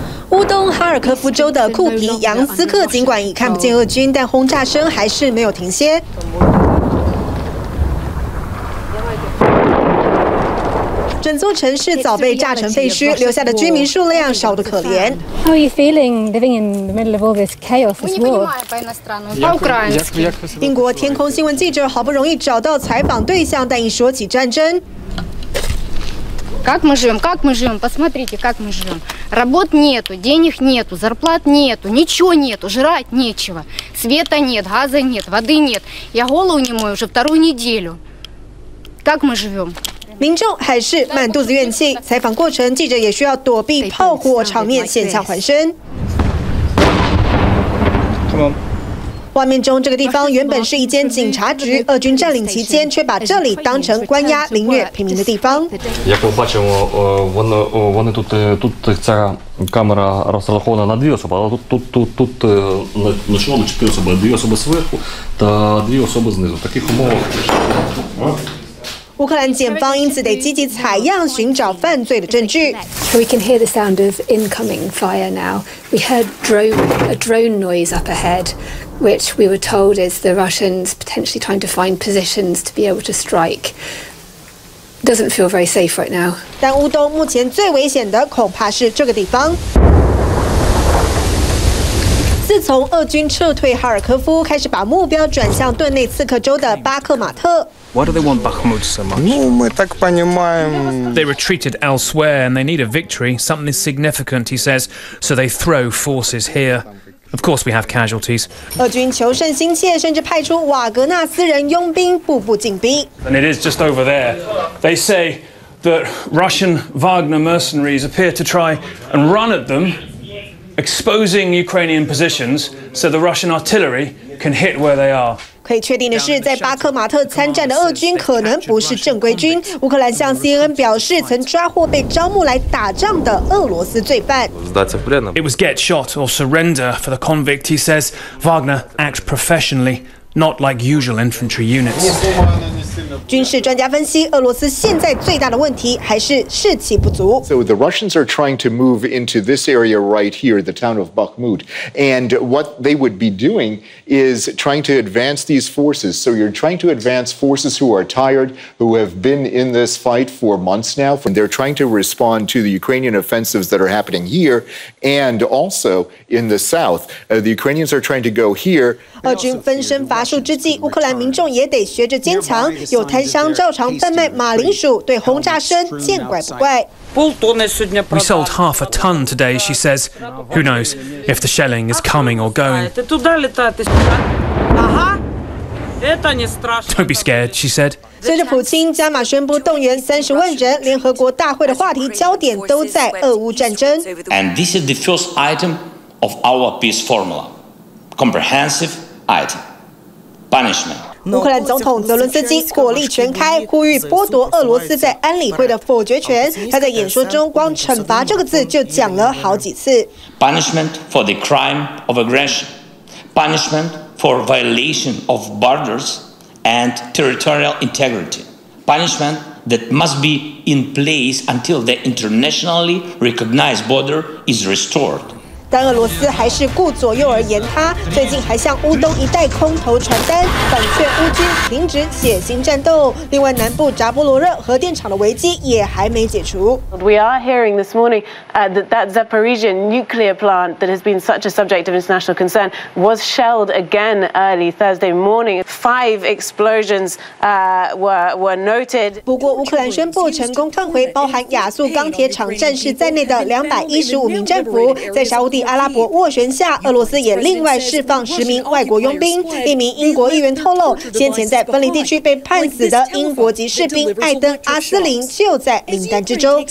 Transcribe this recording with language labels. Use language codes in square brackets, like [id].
[zh] 乌东哈尔科夫州的库皮扬斯克，尽管已看不见俄军，但轰炸声还是没有停歇。整座城市早被炸成废墟，留下的居民数量少得可怜。 [en] How are you feeling living in the middle of all this chaos as well? [zh] 英国天空新闻记者好不容易找到采访对象，但一说起战争。 [ru] Как мы живем? Как мы живем? Посмотрите, как мы живем. Работ нету, денег нету, зарплат нету, ничего нету, жрать нечего. Света нет, газа нет, воды нет. Я голову не мою уже вторую неделю. Как мы живем? [zh] 民众还是满肚子怨气。采访过程，记者也需要躲避炮火，场面险象环生。 [en] Come on. [zh] 画面中这个地方原本是一间警察局，俄军占领期间却把这里当成关押凌虐平民的地方。 [uk] Камера розрахована на дві особи, але тут на чому чи п'ять особи, дві особи зверху та дві особи знизу. Таких умовах. [zh] 乌克兰检方因此得积极采样寻找犯罪的证据。 [en] We can hear the sound of incoming fire now. We heard a drone noise up ahead. Which we were told is the Russians potentially trying to find positions to be able to strike. Doesn't feel very safe right now. [zh] 但乌东目前最危险的恐怕是这个地方。自从俄军撤退哈尔科夫，开始把目标转向顿内茨克州的巴克马特。 [en] Why do they want Bakhmut so much? They retreated elsewhere and they need a victory, something significant, he says. So they throw forces here. Of course, we have casualties. [zh] 俄军求胜心切，甚至派出瓦格纳斯人佣兵步步进逼。 [en] And it is just over there. They say that Russian Wagner mercenaries appear to try and run at them, exposing Ukrainian positions so the Russian artillery can hit where they are. [zh] 可以确定的是，在巴克马特参战的俄军可能不是正规军。乌克兰向 CNN 表示，曾抓获被招募来打仗的俄罗斯罪犯。 [en] It was get shot or surrender for the convict. He says Wagner acts professionally, not like usual infantry units. [zh] 军事专家分析，俄罗斯现在最大的问题还是士气不足。 [en] So the Russians are trying to move into this area right here, the town of Bakhmut, and what they would be doing. Is trying to advance these forces. So you're trying to advance forces who are tired, who have been in this fight for months now. And they're trying to respond to the Ukrainian offensives that are happening here and also in the south. The Ukrainians are trying to go here. [zh] 俄军分身乏术之际，乌克兰民众也得学着坚强。有摊商照常贩卖马铃薯，对轰炸声见怪不怪。 [en] We sold half a ton today, she says. Who knows if the shelling is coming or going? Don't be scared, she said. [zh] 随着普京加码宣布动员300,000人，联合国大会的话题焦点都在俄乌战争。 [en] And this is the first item of our peace formula, comprehensive item, punishment. [zh] 乌克兰总统泽伦斯基火力全开，呼吁剥夺俄罗斯在安理会的否决权。他在演说中光“惩罚”这个字就讲了好几次。 [en] Punishment for the crime of aggression, punishment for violation of borders and territorial integrity, punishment that must be in place until the internationally recognized border is restored. [zh] 但俄罗斯还是顾左右而言他，最近还向乌东一带空投传单，反劝乌军停止血腥战斗。另外，南部扎波罗热核电厂的危机也还没解除。 [en] We are hearing this morning that Zaporizhia nuclear plant that has been such a subject of international concern was shelled again early Thursday morning. Five explosions were noted. [zh] 不过，乌克兰宣布成功换回包含亚速钢铁厂战士在内的215名战俘，在沙乌地阿拉伯斡旋下，俄罗斯也另外释放十名外国佣兵。一名英国议员透露，先前在分离地区被判死的英国籍士兵艾登·阿斯林就在名单之中。